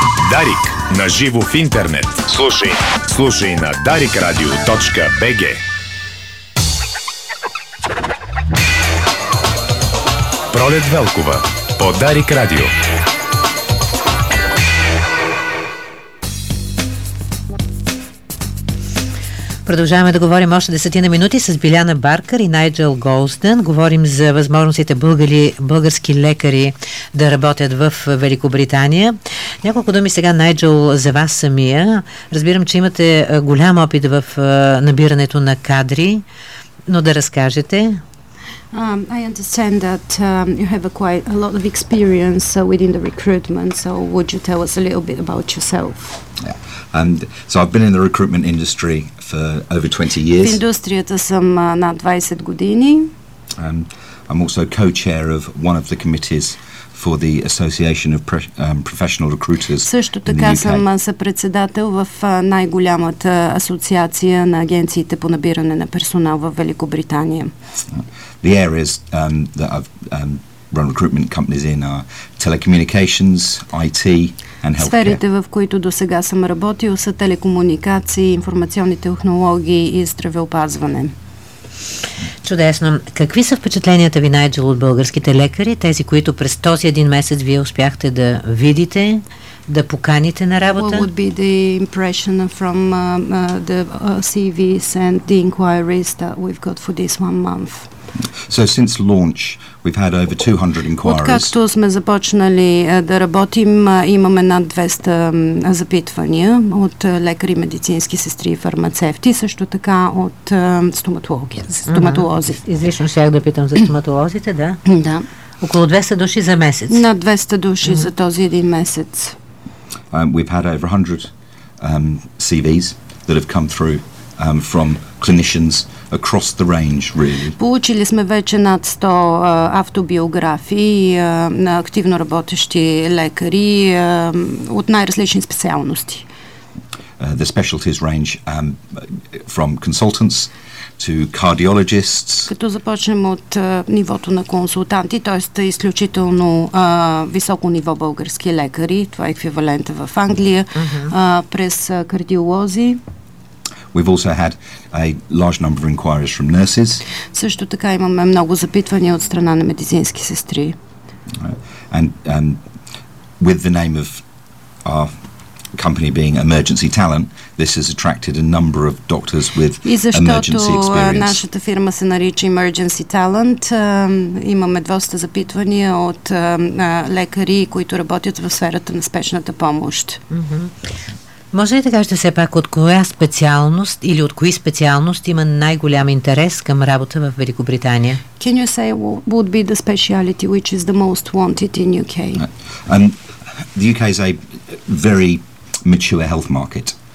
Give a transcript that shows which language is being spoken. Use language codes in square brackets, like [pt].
[bg] Дарик наживо в интернет. Слушай на darikradio.bg. Пролет Велкова по Дарик Радио. Продължаваме да говорим още десетина минути с Биляна Баркър и Найджел Голстън. Говорим за възможностите български лекари да работят в Великобритания. Няколко думи сега, Найджел, за вас самия. Разбирам, че имате голям опит в набирането на кадри, но да разкажете. [en] I understand that you have quite a lot of experience within the recruitment, so would you tell us a little bit about yourself? Yeah. So I've been in the recruitment industry for over 20 years. [bg] В индустрията съм над 20 години. [en] I'm also co-chair of one of the committees for the Association of Professional Recruiters. [bg] Също така съм съпредседател в най-голямата асоциация на агенциите по набиране на персонал в Великобритания. [en] The areas that I've run recruitment companies in are telecommunications, IT and healthcare. [bg] Сферите, в които до сега съм работил, са телекомуникации, информационни технологии и здравеопазване. Чудесно. Какви са впечатленията ви, Найджел, от българските лекари, тези, които през този един месец вие успяхте да видите, да поканите на работа? [en] What would be the impression from the CVs and the inquiries that we've got for this one month? So since launch, we've had over 200 inquiries. [bg] Откакто сме започнали да работим, имаме над 200 запитвания от лекари, медицински сестри и фармацевти, също така от стоматологи. Стоматолози. Излишно щях да питам за стоматолозите, да? Да. Около 200 души за месец. Над 200 души за този един месец. [en] We've had over 100 CVs that have come through from clinicians across the range, really. [bg] Получили сме вече над 100 автобиографии на активно работещи лекари от най-различни специалности. [en] The specialties range from consultants to cardiologists. [bg] Като започнем от нивото на консултанти, т.е. изключително високо ниво български лекари, това е еквивалента в Англия, през кардиолози. [en] We've also had a large number of inquiries from nurses. [bg] Също така имаме много запитвания от страна на медицински сестри. [en] And with the name of our company being Emergency Talent, this has attracted a number of doctors with emergency experience. [bg] И защото нашата фирма се нарича Emergency Talent, имаме доста запитвания от лекари, които работят в сферата на спешната помощ. Може ли да кажете все пак от коя специалност или от кои специалности има най-голям интерес към работа в Великобритания? [en] Can you say what would be the speciality which is the most wanted in UK? The UK is a very mature health market.